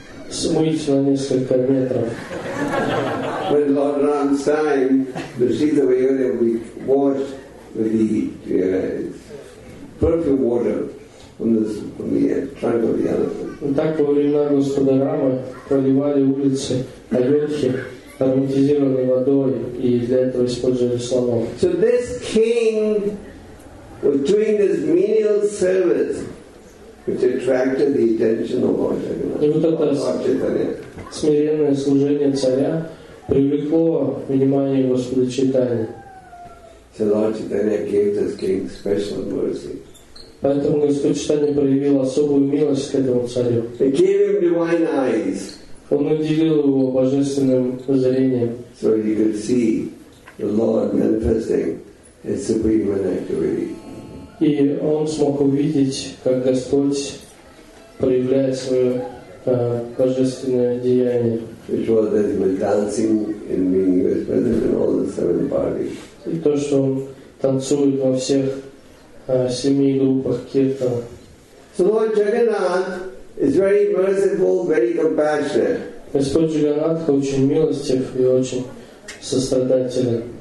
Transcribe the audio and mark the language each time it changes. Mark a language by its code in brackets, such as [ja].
[ru] Смыть на несколько метров. [en] When Lord Ram's time, the streets of Ayodhya will be washed with the perfume water from the trunk of the elephant. [ru] Так во времена Господа Рамы проливали улицы Айодхи ароматизированной водой, и для этого использовали слонов. [en] So this king was doing this menial service, which attracted the attention of Lord Chaitanya. [ru] И вот это смиренное служение царя привлекло внимание Господа Чайтаньи. [en] So Lord Chaitanya gave this king special mercy. [ru] Поэтому Господь Чайтанья проявил особую милость к этому царю. [en] He gave him divine eyes. [ru] Он наделил его божественным зрением. [en] So he could see the Lord manifesting his supreme activity. [ru] И он смог увидеть, как Господь проявляет свое божественное деяние. [en] Which was that he was dancing and being present in all the seven parties. [ru] И то, что он танцует во всех семи группах киртана. [en] So Lord Jagannath is very merciful, very compassionate. [ru] Господь Джаганнатха очень милостив и очень сострадателен.